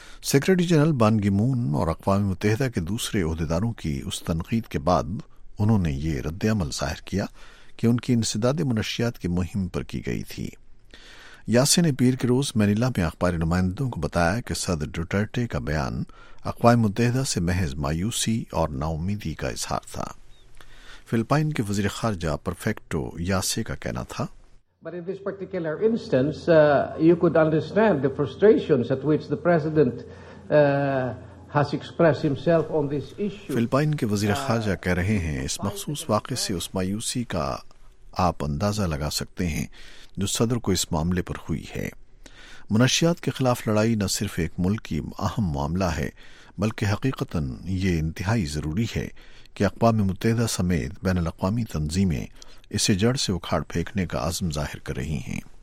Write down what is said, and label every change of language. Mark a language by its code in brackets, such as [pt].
[ur] Secretary general Ban کی مون اور اقوام متحدہ کے دوسرے عہدیداروں کی اس تنقید کے بعد انہوں نے یہ رد عمل ظاہر کیا کہ ان کی انسداد منشیات کی مہم پر کی گئی تھی۔ یاسین نے پیر کے روز مینیلا میں اخباری نمائندوں کو بتایا کہ صدر ڈیٹرٹے کا بیان اقوام متحدہ سے محض مایوسی اور ناامیدی کا اظہار تھا۔ فلپائن کے وزیر خارجہ پرفیکٹو یاسے کا کہنا تھا، [en] But in this particular instance, you could understand the frustrations at which the president has expressed himself on this issue. [ur] Philippines کے وزیر خارجہ کہہ رہے ہیں اس مخصوص واقعے سے اس مایوسی کا آپ اندازہ لگا سکتے ہیں جو صدر کو اس معاملے پر ہوئی ہے۔ منشیات کے خلاف لڑائی نہ صرف ایک ملک کی اہم معاملہ ہے بلکہ حقیقتاً یہ انتہائی ضروری ہے کہ اقوام متحدہ سمیت بین الاقوامی تنظیمیں اسے جڑ سے اکھاڑ پھینکنے کا عزم ظاہر کر رہی ہیں۔